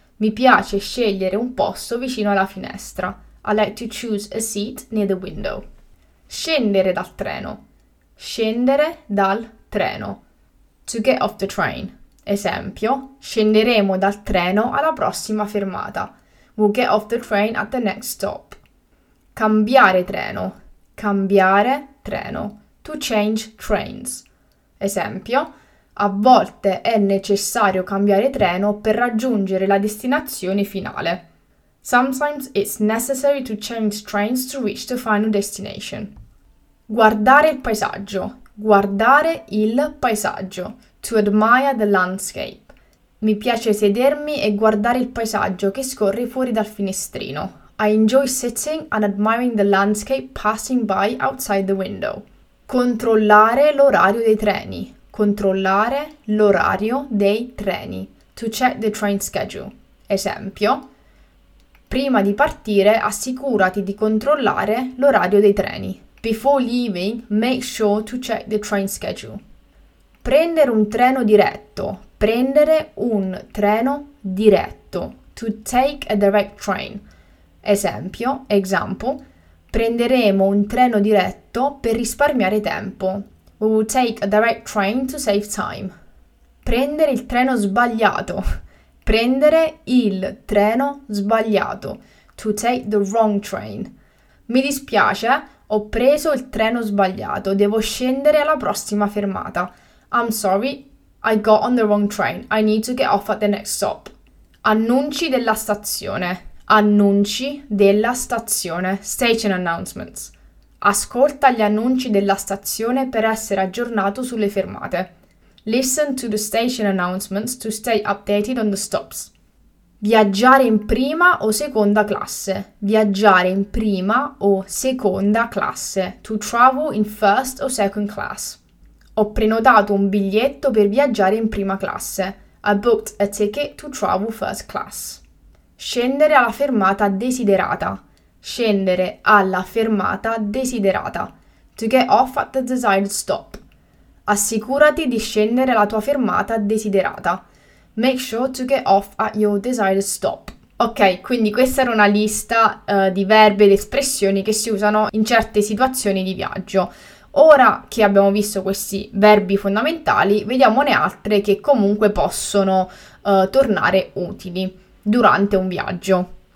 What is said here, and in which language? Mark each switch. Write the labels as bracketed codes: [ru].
[it] Mi piace scegliere un posto vicino alla finestra. [en] I like to choose a seat near the window. [it] Scendere dal treno. Scendere dal treno. [en] To get off the train. [it] Esempio. Scenderemo dal treno alla prossima fermata. [en] We'll get off the train at the next stop. [it] Cambiare treno. Cambiare treno. [en] To change trains. Esempio. [it] A volte è necessario cambiare treno per raggiungere la destinazione finale. [en] Sometimes it's necessary to change trains to reach the final destination. [it] Guardare il paesaggio. Guardare il paesaggio. [en] To admire the landscape. [it] Mi piace sedermi e guardare il paesaggio che scorre fuori dal finestrino. [en] I enjoy sitting and admiring the landscape passing by outside the window. [it] Controllare l'orario dei treni. Controllare l'orario dei treni. [en] To check the train schedule. Esempio. [it] Prima di partire, assicurati di controllare l'orario dei treni. [en] Before leaving, make sure to check the train schedule. [it] Prendere un treno diretto. Prendere un treno diretto. [en] To take a direct train. Esempio, example. [it] Prenderemo un treno diretto per risparmiare tempo. [en] We will take a direct train to save time. [it] Prendere il treno sbagliato. Prendere il treno sbagliato. [en] To take the wrong train. [it] Mi dispiace, ho preso il treno sbagliato. Devo scendere alla prossima fermata. [en] I'm sorry, I got on the wrong train. I need to get off at the next stop. [it] Annunci della stazione. Annunci della stazione. [en] Station announcements. [it] Ascolta gli annunci della stazione per essere aggiornato sulle fermate. [en] Listen to the station announcements to stay updated on the stops. [it] Viaggiare in prima o seconda classe. Viaggiare in prima o seconda classe. [en] To travel in first or second class. [it] Ho prenotato un biglietto per viaggiare in prima classe. [en] I booked a ticket to travel first class. [it] Scendere alla fermata desiderata. Scendere alla fermata desiderata. [en] To get off at the desired stop. [it] Assicurati di scendere alla tua fermata desiderata. [en] Make sure to get off at your desired stop. [it] Ok, quindi questa era una lista di verbi ed espressioni che si usano in certe situazioni di viaggio. Ora che abbiamo visto questi verbi fondamentali, vediamone altre che comunque possono tornare utili durante un viaggio.